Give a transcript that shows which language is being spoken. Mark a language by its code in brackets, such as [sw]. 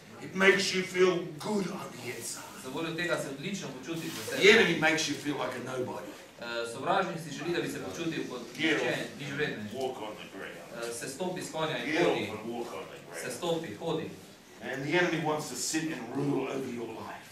[en] It makes you feel good on the inside. [sl] Zavoljo tega se odlično počutiš v sebi. [en] The enemy makes you feel like a nobody. [sl] Sovražnik si želi, da bi se počutil kot nihče, nič vredne. [en] Walk on the ground. [sl] Se stopi s konja in hodi. Se stopi, hodi. [en] And the enemy wants to sit and rule over your life.